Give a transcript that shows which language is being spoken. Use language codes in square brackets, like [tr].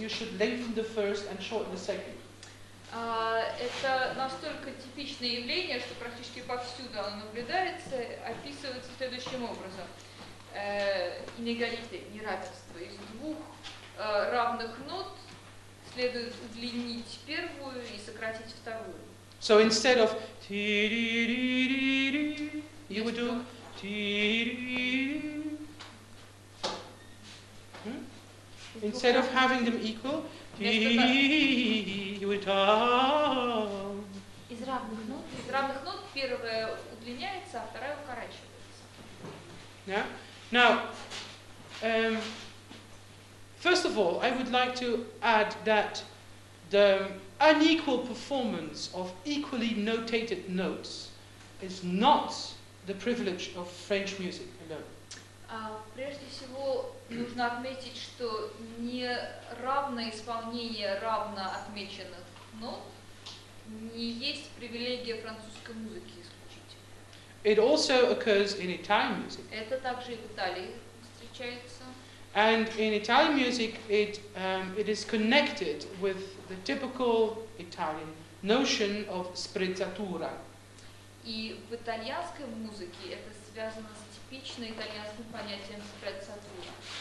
[en] You should lengthen the first and shorten the second. [ru] Это настолько типичное явление, что практически повсюду оно наблюдается, описывается следующим образом: inégalité, неравенство. Из двух равных нот следует удлинить первую и сократить вторую. [en] So instead of ti-ri-ri-ri-ri, you would do ti-ri-ri-ri. Instead of having them equal, you would do. [ru] Из равных нот первая удлиняется, а вторая укорачивается. [en] Yeah. Now, First of all, I would like to add that the unequal performance of equally notated notes is not the privilege of French music alone. [ru] Прежде всего, нужно отметить, что неравное исполнение равно отмеченных нот не есть привилегия французской музыки исключительно. [en] It also occurs in Italian music. [ru] Это также и в Италии встречается. [en] And in Italian music, it is connected with the typical Italian notion of sprezzatura. [ru] И в итальянской музыке это связано с типичным итальянским понятием sprezzatura.